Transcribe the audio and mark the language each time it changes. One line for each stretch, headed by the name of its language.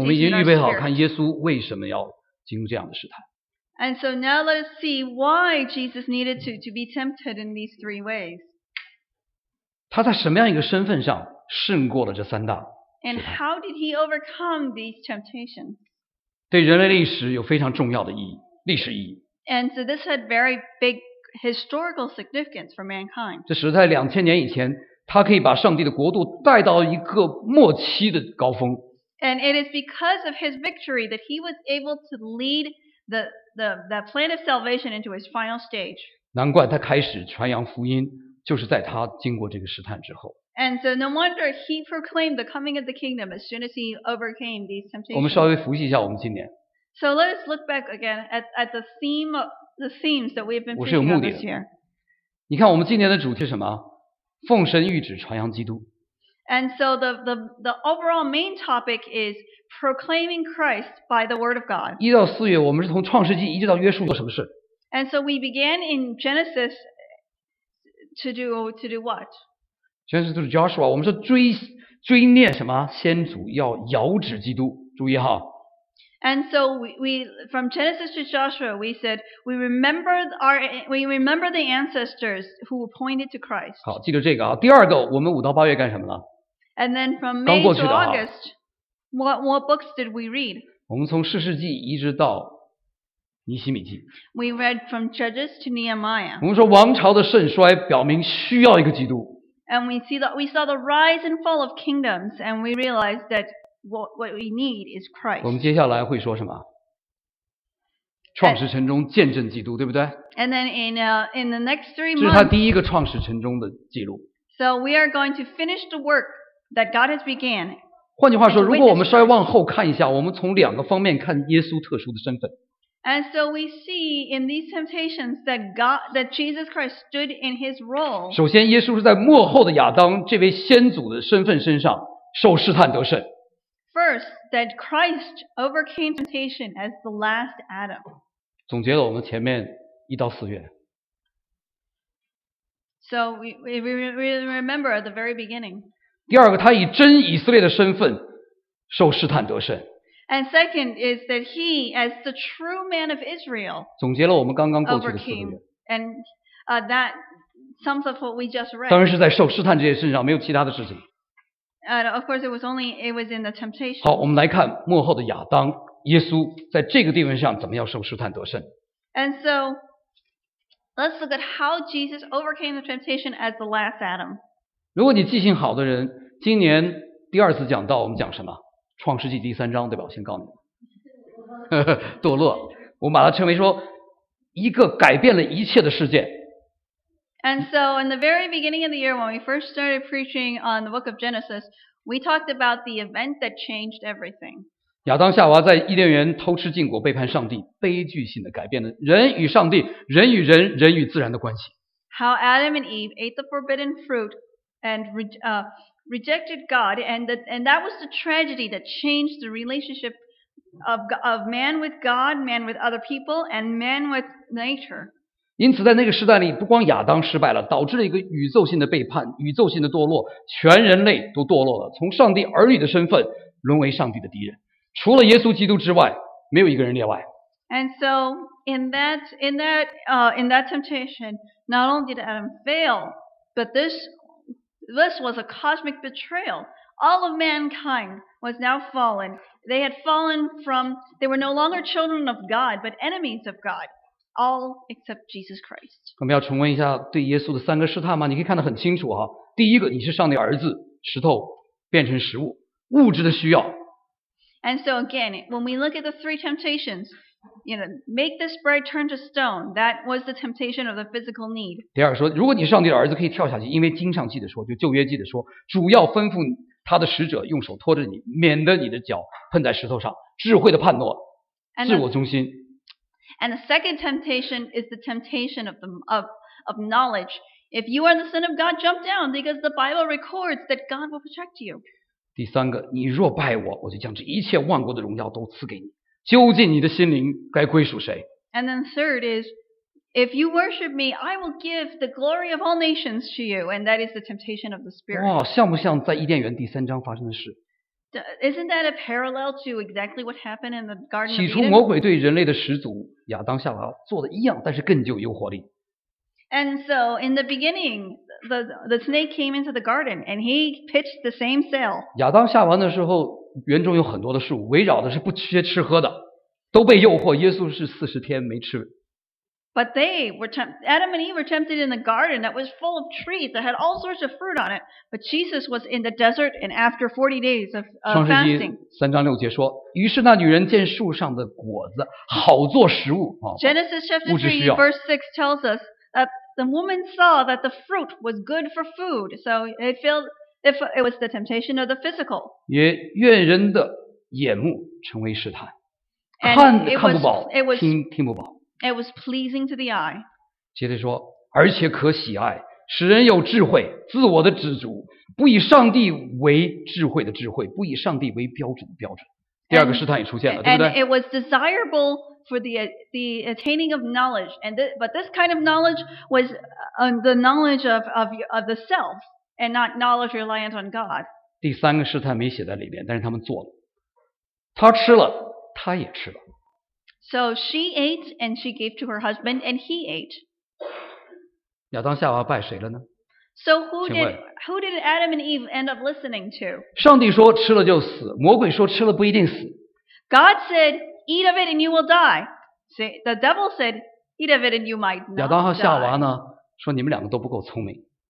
Chinese: 我们已经预备好看耶稣为什么要进入这样的试探。
English: And so now let us see why Jesus needed to be tempted in these three ways.
Chinese: 他在什么样一个身份上胜过了这三大？
English: And how did he overcome these temptations?
Chinese: 对人类历史有非常重要的意义，历史意义。
English: And so this had very big historical significance for mankind.
Chinese: 这是在2000年以前，他可以把上帝的国度带到一个末期的高峰。
English: And it is because of his victory that he was able to lead the plan of salvation into his final stage.
Chinese: 难怪他开始传扬福音，就是在他经过这个试探之后。
English: And so no wonder he proclaimed the coming of the kingdom as soon as he overcame these temptations.
Chinese: 我们稍微复习一下我们今年。
English: So let us look back again at the themes that we've been preaching about this year.
Chinese: 你看我们今年的主题是什么？奉神谕旨传扬基督。
English: And so the overall main topic is proclaiming Christ by the word of God.
Chinese: 一到四月我们是从创世纪一直到约书亚做什么事？
English: And so we began in Genesis to do what?
Chinese: 先是就是 Joshua， 我们说追念什么先祖要遥指基督，注意哈。
English: And so we from Genesis to Joshua, we said we remember the ancestors who pointed to Christ.
Chinese: 好，记住这个啊。第二个，我们五到八月干什么了
English: ？And then from May to August, what books did we read?
Chinese: 我们从士师记一直到尼希米记。
English: We read from Judges to Nehemiah.
Chinese: 我们说王朝的盛衰表明需要一个基督。
English: And we saw the rise and fall of kingdoms, and we realized that what we need is Christ.
Chinese: 我们接下来会说什么？创始成终见证基督，对不对
English: ？And then in the next three months,
Chinese: 这是他第一个创始成终的记录。
English: So we are going to finish the work that God has began.
Chinese: 换句话说，如果我们稍微往后看一下，我们从两个方面看耶稣特殊的身份。
English: And so we see in these temptations that Jesus Christ stood in his role.
Chinese: 首先耶稣是在末后的亚当这位先祖的身份身上受试探得胜。
English: First, that Christ overcame temptation as the last Adam.
Chinese: 总结了我们前面一到四月。
English: So we remember at the very beginning.
Chinese: 第二个，他以真以色列的身份受试探得胜。
English: And second is that he, as the true man of Israel,
Chinese: 总结了我们刚刚过去的四个月。
English: And that sums up what we just read.
Chinese: 当然是在受试探这些事情上，没有其他的事情。
English: Of course, it was in the temptation.
Chinese: 好，我们来看末后的亚当，耶稣在这个地位上怎么样受试探得胜。
English: And so, let's look at how Jesus overcame the temptation as the last Adam.
Chinese: 如果你记性好的人，今年第二次讲到我们讲什么？创世纪第三章，对吧？我先告诉你，堕落，我把它称为说一个改变了一切的事件。
English: And so, in the very beginning of the year, when we first started preaching on the book of Genesis, we talked about the event that changed everything.
Chinese: 亚当夏娃在伊甸园偷吃禁果，背叛上帝，悲剧性的改变了人与上帝、人与人、人与自然的关系。
English: How Adam and Eve ate the forbidden fruit and rejected God, and that was the tragedy that changed the relationship of man with God, man with other people, and man with nature.
Chinese: 因此，在那个时代里，不光亚当失败了，导致了一个宇宙性的背叛、宇宙性的堕落，全人类都堕落了，从上帝儿女的身份沦为上帝的敌人。除了耶稣基督之外，没有一个人例外。
English: And so, in that temptation, not only did Adam fail, but this was a cosmic betrayal. All of mankind was now fallen. They had fallen from, they were no longer children of God, but enemies of God, all except Jesus Christ.
Chinese: 我们要重温一下对耶稣的三个试探吗？你可以看得很清楚啊。第一个，你是上帝儿子，石头变成食物，物质的需要。
English: And so again, when we look at the three temptations, You know, make this bread turn to stone. That was the temptation of the physical need.
Chinese: 第二说，如果你是上帝的儿子，可以跳下去，因为经上记得说，就旧约记得说，主要吩咐他的使者用手托着你，免得你的脚碰在石头上。智慧的判诺，自我中心。
English: And the second temptation is the temptation of knowledge. If you are the son of God, jump down, because the Bible records that God will protect you.
Chinese: 第三个，你若拜我，我就将这一切万国的荣耀都赐给你。究竟你的心灵该归属谁？
English: And then third is, if you worship me, I will give the glory of all nations to you, and that is the temptation of the spirit.
Chinese: 哇，像不像在伊甸园第三章发生的事？
English: Isn't that a parallel to exactly what happened in the Garden of Eden?
Chinese: 起初魔鬼对人类的始祖亚当夏娃做的一样，但是更具诱惑力。
English: And so in the beginning, the snake came into the garden, and he pitched the same sale.
Chinese: 亚当夏娃的时候。园中有很多的树，围绕的是不缺吃喝的，都被诱惑。耶稣是四十天没吃。
English: But they were Adam and Eve were tempted in the garden that was full of trees that had all sorts of fruit on it. But Jesus was in the desert and after 40 days of fasting.
Chinese: 创世纪三章六节说，于是那女人见树上的果子好做食物啊，物质需要。
English: Genesis chapter 3 verse 6 tells us that the woman saw that the fruit was good for food, so it filled. If it was the temptation of the physical.
Chinese: 也愿人的眼目成为试探，看看不饱，听听不饱。
English: It was pleasing to the eye.
Chinese: 接着说，而且可喜爱，使人有智慧，自我的知足，不以上帝为智慧的智慧，不以上帝为标准的标准。第二个试探也出现了，对不对？
English: And it was desirable for the attaining of knowledge, and but this kind of knowledge was the knowledge of the self. And not knowledge reliant on God.
Chinese: 第三个试探没写在里面，但是他们做了。他吃了，他也吃了。
English: So she ate and she gave to her husband and he ate.
Chinese: 亚当夏娃拜谁了呢？
English: So who did Adam and Eve end up listening to?
Chinese: 上帝说吃了就死，魔鬼说吃了不一定死。
English: God said, "Eat of it and you will die." See, the devil said, "Eat of it and you might not die."
Chinese: 亚当和夏娃呢，说你们两个都不够聪明。